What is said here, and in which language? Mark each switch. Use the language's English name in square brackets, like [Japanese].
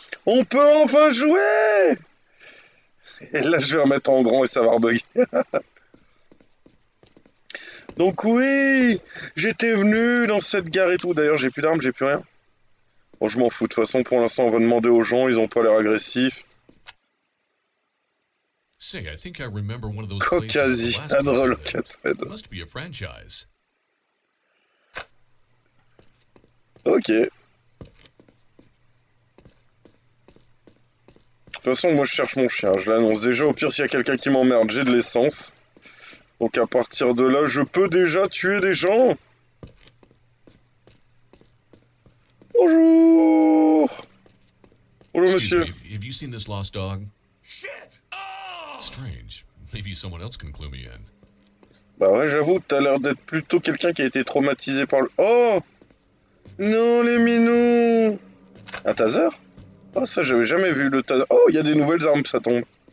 [French] On peut enfin jouer! Et là, je vais remettre en grand et ça va rebugger. Donc oui, j'étais venu dans cette gare et tout. D'ailleurs, j'ai plus d'armes, j'ai plus rien. Bon, je m'en fous. De toute façon, pour l'instant, on va demander aux gens. Ils ont pas l'air agressifs. [English] Say, I think I remember one of those places as the Caucasian last place I lived. relocated. It must be a franchise. Ok. [French] De toute façon, moi je cherche mon chien, je l'annonce déjà. Au pire, s'il y a quelqu'un qui m'emmerde, j'ai de l'essence. Donc à partir de là, je peux déjà tuer des gens. Bonjour! Bonjour, [English] Excuse [French] monsieur. [English] me, have you seen this lost dog? Shit! Strange. Maybe someone else can clue me in. [French] Bah ouais, j'avoue, t'as l'air d'être plutôt quelqu'un qui a été traumatisé par le. Oh! Non, les minous! Un taser? Oh, ça, j'avais jamais vu le tas. Oh, il y a des nouvelles armes, ça tombe.